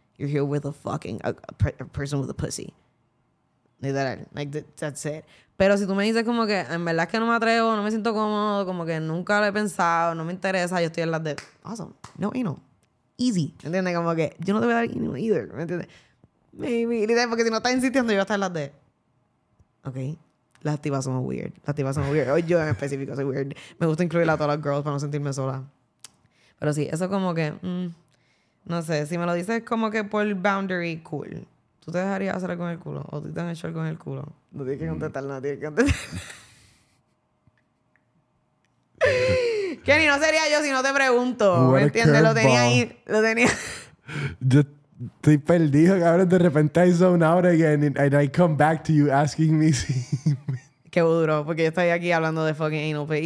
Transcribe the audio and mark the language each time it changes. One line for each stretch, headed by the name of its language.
English: You're here with a fucking, a person with a pussy. Literal. Like, that's it.
Spanish: Pero si tú me dices como que en verdad es que no me atrevo, no me siento cómodo, como que nunca lo he pensado, no me interesa, yo estoy en las de...
English: Awesome. No, you know. Easy.
Spanish: ¿Me entiendes? Como que yo no te voy a dar
English: you know either.
Spanish: ¿Me entiendes?
English: Maybe.
Spanish: Porque si no estás insistiendo, yo voy a estar en las de... Ok. Las tibas son weird. Las tibas son weird. O yo en específico soy weird. Me gusta incluir a todas las girls para no sentirme sola. Pero sí, eso como que... no sé. Si me lo dices como que por boundary, cool. ¿Tú te dejarías hacer con el culo? ¿O tú te han hecho con el culo? No tienes que contestar, no tienes que contestar. Kenny, no sería yo si no te pregunto. ¿Me entiendes? Lo tenía ahí. Lo tenía. Yo estoy perdido, cabrón. De repente
English: I zone out again and I come back to you asking me
Spanish: si... Qué duro, porque yo estoy aquí hablando de
English: fucking anal play.